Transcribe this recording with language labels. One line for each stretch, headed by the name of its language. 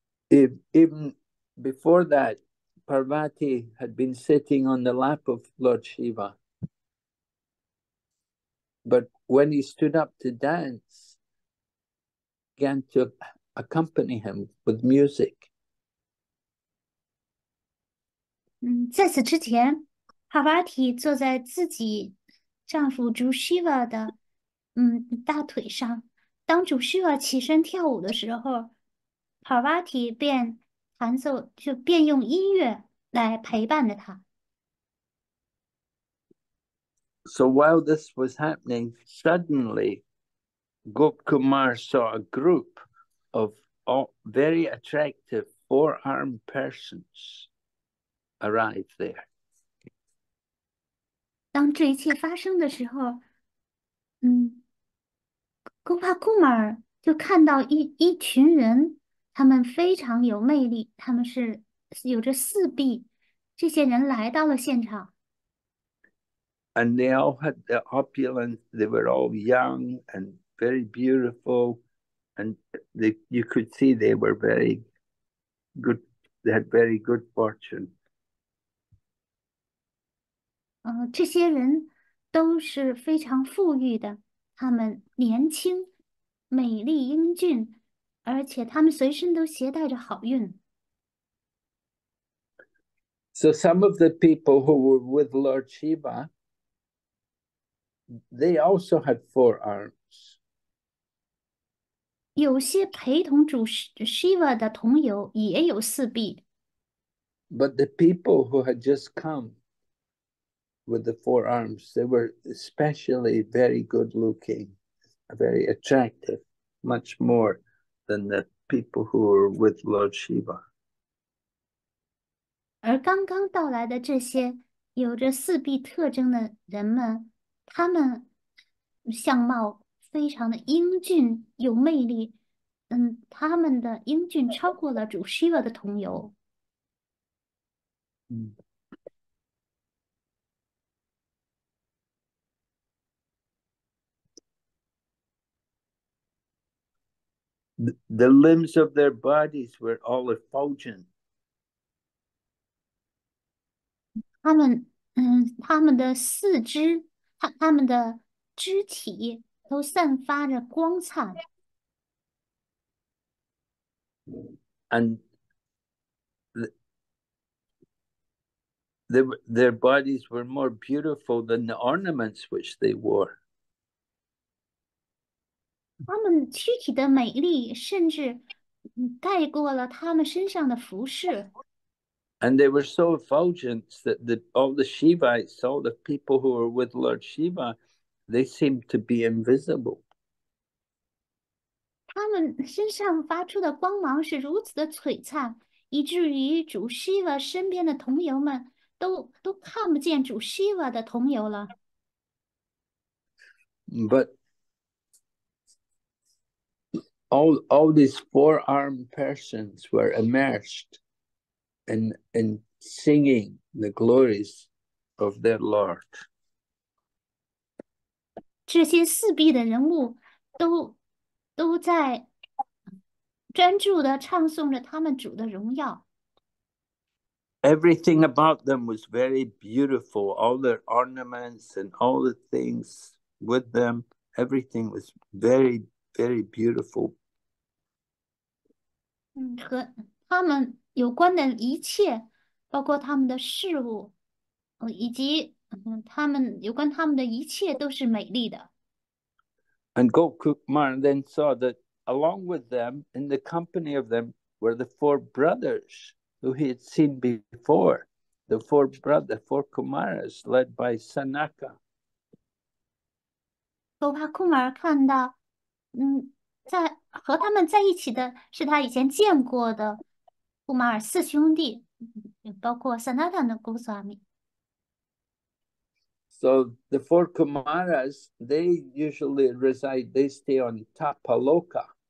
English: Even before that, Parvati had been sitting on the lap of Lord Shiva. But when he stood up to dance, began to accompany him with music.
Chinese: 在此之前，帕巴提坐在自己丈夫朱希瓦的大腿上。当朱希瓦起身跳舞的时候，帕巴提便弹奏，就便用音乐来陪伴着他。
English: So while this was happening, suddenly Gop Kumar saw a group of all very attractive four-armed persons arrive there.
Chinese: 当这一切发生的时候，库玛尔就看到一群人，他们非常有魅力，他们是有着四臂，这些人来到了现场。
English: And they all had the opulence. They were all young and very beautiful, and you could see they were very good. They had very good fortune.
Chinese: 这些人都是非常富裕的，他们年轻、美丽、英俊，而且他们随身都携带着好运。
English: So some of the people who were with Lord Shiva. They also had four arms.
Chinese: 有些陪同主 Shiva 的同游也有四臂。
English: But the people who had just come with the four arms, they were especially very good looking, very attractive, much more than the people who were with Lord Shiva.
Chinese: 而刚刚到来的这些有着四臂特征的人们，他们相貌非常的英俊有魅力，他们的英俊超过了主 Shiva 的同游。
English: The limbs of their bodies were all effulgent.
Chinese: 他们的四肢，他们的肢体都散发着光灿。
English: And their bodies were more beautiful than the ornaments which they wore.
Chinese: 他们躯体的美丽，甚至盖过了他们身上的服饰。
English: And they were so effulgent that all the Shivites, all the people who were with Lord Shiva, they seemed to be invisible.
Chinese: 他们身上发出的光芒是如此的璀璨，以至于主 Shiva 身边的同游们都看不见主 Shiva 的同游了。
English: But all these four-armed persons were immersed in singing the glories of their Lord.
Chinese: 这些四臂的人物都在专注地唱诵着他们主的荣耀。
English: Everything about them was very beautiful, all their ornaments and all the things. With them, everything was very, very beautiful.
Chinese: 和他们有关的一切，包括他们的事物，以及他们有关他们的一切都是美丽的。
English: And Gokumar then saw that along with them, in the company of them, were the four brothers who he had seen before, the four Kumaras led by Sanaka.
Chinese: 多帕库尔看到，在和他们在一起的是他以前见过的库马尔四兄弟，包括萨纳坦的姑苏阿米。
English: So the four Kumaras, they usually reside, they stay on Tapaloka.